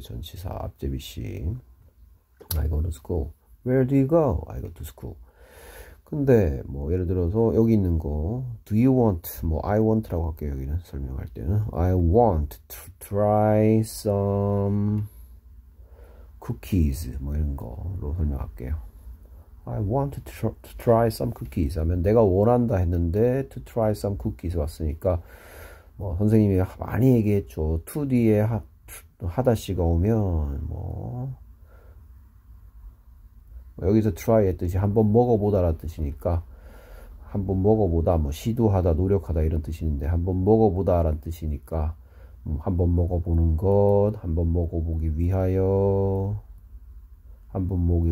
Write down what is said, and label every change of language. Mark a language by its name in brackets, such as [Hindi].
[Korean] 전치사 앞제비 씨. [English] I go to school. Where do you go? I go to school. [Korean] 근데 뭐 예를 들어서 여기 있는 거 [English] do you want [Korean] 뭐 [English] I want [Korean] 라고 할게요. 여기는 설명할 때는 [English] I want to try some cookies [Korean] 뭐 이런 거로 설명할게요. [English] I want to try some cookies. [Korean] 하면 내가 원한다 했는데 [English] to try some cookies [Korean] 왔으니까 뭐 선생님이 많이 얘기했죠. 2D에 하다시가 오면 뭐 여기서 try 했듯이 한번 먹어보다라는 뜻이니까 한번 먹어보다 뭐 시도하다 노력하다 이런 뜻인데 한번 먹어보다라는 뜻이니까 한번 먹어보는 것, 한번 먹어보기 위하여, 한번